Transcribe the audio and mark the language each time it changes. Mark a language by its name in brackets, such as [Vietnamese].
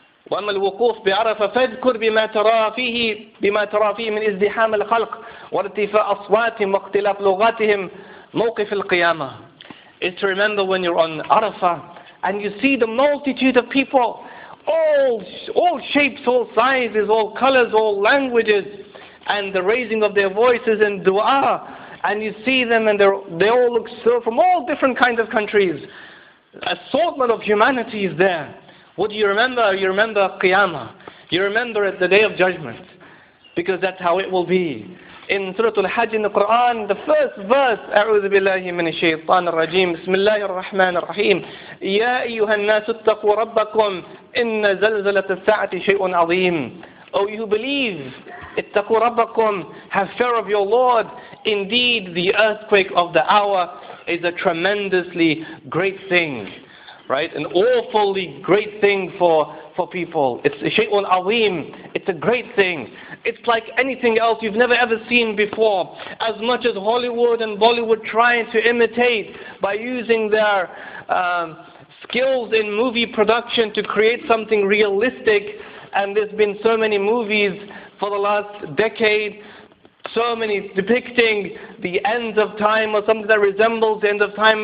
[Arabic] وَأَمَّا الْوُقُوفُ بِعَرَفَةٍ فَاذْكُرْ بِمَا تَرَى فِيهِ مِنْ إِزْدِحَامِ الْخَلْقِ وَارْتِفَاءِ أَصْوَاتِهِمْ وَاخْتِلَافِ لُغَاتِهِمْ مَوْقِفَ الْقِيَامَةِ [English] It's to remember when you're on Arafah and you see the multitude of people, all shapes, all sizes, all colors, all languages, and the raising of their voices in dua, and you see them and they all look so from all different kinds of countries. Assortment of humanity is there. What do you remember? You remember Qiyamah. You remember it, the Day of Judgment. Because that's how it will be. In Surah Al-Hajj in the Quran, the first verse, [Arabic] أَعُوذُ بِاللَّهِ مِنَ الشَّيْطَانِ الرَّجِيمِ بِسْمِ اللَّهِ الرَّحْمَنِ الرَّحِيمِ يَا أَيُّهَا النَّاسُ اتَّقُوا رَبَّكُمْ إِنَّ زَلْزَلَةَ السَّاعَةِ شَيْءٌ عَظِيمٌ [English] Oh, you believe, [Arabic] اتَّقُوا رَبَّكُمْ [English] Have fear of your Lord. Indeed, the earthquake of the hour is a tremendously great thing. Right, an awfully great thing for people. It's a shay'un azim. It's a great thing. It's like anything else you've never ever seen before. As much as Hollywood and Bollywood trying to imitate by using their skills in movie production to create something realistic, and there's been so many movies for the last decade, so many depicting the end of time or something that resembles the end of time.